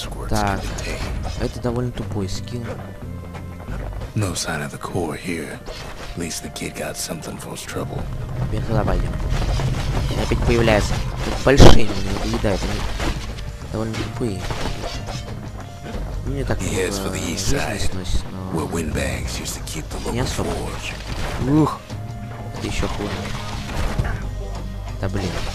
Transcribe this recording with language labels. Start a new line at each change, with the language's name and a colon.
Russian: Так, это довольно тупой скилл.
English: No sign of the core here. At least the kid got something for his trouble.
Russian: Теперь туда пойдем. И опять появляются. Тут большие меня доедают. Они довольно тупые. Мне так не сносит, но... Не особо. Ух! Это еще хуже. Да блин.